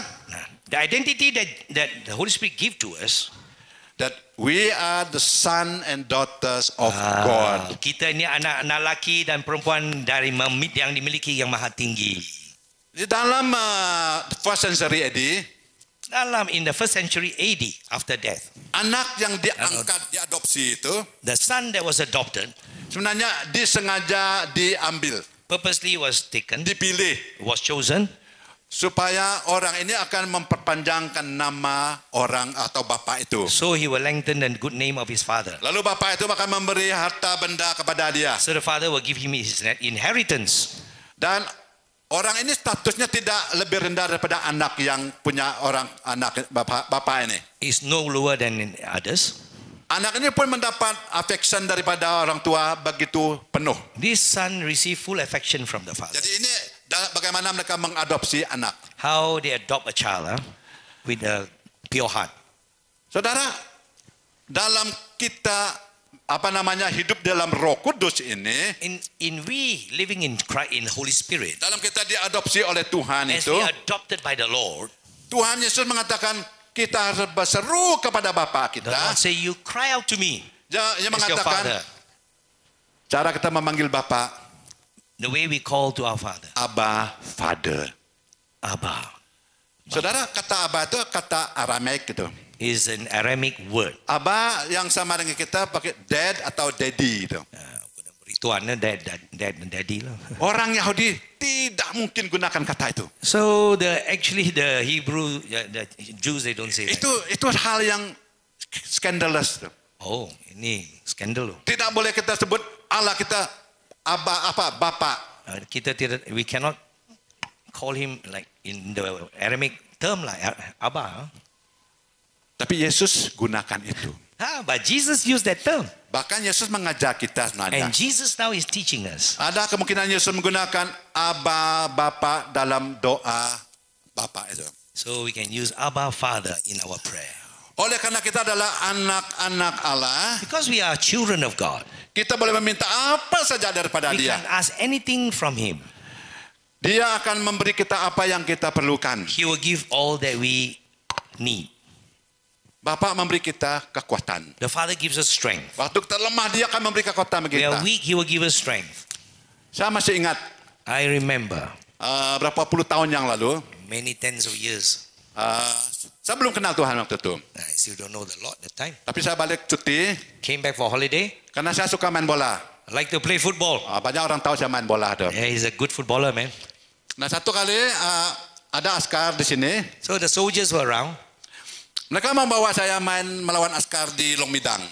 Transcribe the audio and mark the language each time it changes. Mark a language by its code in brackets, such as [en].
[en] Nah, the identity that the Holy Spirit give to us. That we are the son and daughters of God. [id] Kita ini anak-anak laki dan perempuan dari yang dimiliki yang maha tinggi. Di dalam [en] first century AD. [id] Dalam [en] in the first century AD after death. [id] Anak yang diangkat, diadopsi itu. [en] The son that was adopted. [id] Sebenarnya disengaja diambil. [en] Purposely was taken. [id] Dipilih. [en] Was chosen. [id] Supaya orang ini akan memperpanjangkan nama orang atau bapak itu. [en] So he will lengthen the good name of his father. [id] Lalu bapak itu akan memberi harta benda kepada dia. [en] So the father will give him his inheritance. [id] Dan orang ini statusnya tidak lebih rendah daripada anak yang punya orang anak bapak ini. [en] Is no lower than others. [id] Anak ini pun mendapat affection daripada orang tua begitu penuh. [en] This son receive full affection from the father. [id] Jadi ini bagaimana mereka mengadopsi anak? [en] How they adopt a child with a pure heart? [id] Saudara, dalam kita apa namanya hidup dalam Roh Kudus ini. [en] In we living in Christ in Holy Spirit. [id] Dalam kita diadopsi oleh Tuhan [en] as [id] itu. [en] As we adopted by the Lord. [id] Tuhan Yesus mengatakan kita harus berseru kepada Bapa kita. [en] The Lord say you cry out to me. [id] Dia mengatakan cara kita memanggil Bapa. [en] The way we call to our Father. Abba, Father. Abba. [id] Saudara, kata Abba itu kata Aramaik gitu. [en] Is an Aramaic word. [id] Abba yang sama dengan kita pakai dad atau daddy itu. Rituannya dad dan daddy lah. Orang Yahudi tidak mungkin gunakan kata itu. [en] So the actually the Hebrew the Jews they don't say [id] itu, [en] that. [id] Itu hal yang scandalous. Oh, ini scandal. Tidak boleh kita sebut Allah kita Abba apa Bapa. Kita tidak [en] we cannot call him like in the Aramaic term lah Abba. [id] Tapi Yesus gunakan itu. [en] But Jesus used that term. [id] Bahkan Yesus mengajar kita sebenarnya. [en] And Jesus now is teaching us. [id] Ada kemungkinan Yesus menggunakan Abba Bapa dalam doa Bapa itu. [en] So we can use Abba Father in our prayer. [id] Oleh karena kita adalah anak-anak Allah. [en] Because we are children of God. [id] Kita boleh meminta apa saja daripada [en] we [id] Dia. [en] We can ask anything from Him. [id] Dia akan memberi kita apa yang kita perlukan. [en] He will give all that we need. [id] Bapa memberi kita kekuatan. [en] The Father gives us strength. [id] Waktu kita lemah, Dia akan memberi kekuatan bagi kita. [en] We are weak, He will give us strength. [id] Saya masih ingat. [en] I remember. [id] Berapa puluh tahun yang lalu. [en] Many tens of years. [id] Saya belum kenal Tuhan waktu itu. [en] I still don't know the Lord that time. [id] Tapi saya balik cuti. [en] Came back for holiday. [id] Karena saya suka main bola. [en] I like to play football. [id] Banyak orang tahu saya main bola. Tuh. [en] Yeah, he's a good footballer, man. [id] Nah, satu kali ada askar di sini. [en] So the soldiers were around. [id] Mereka membawa saya main melawan askar di Long Midang.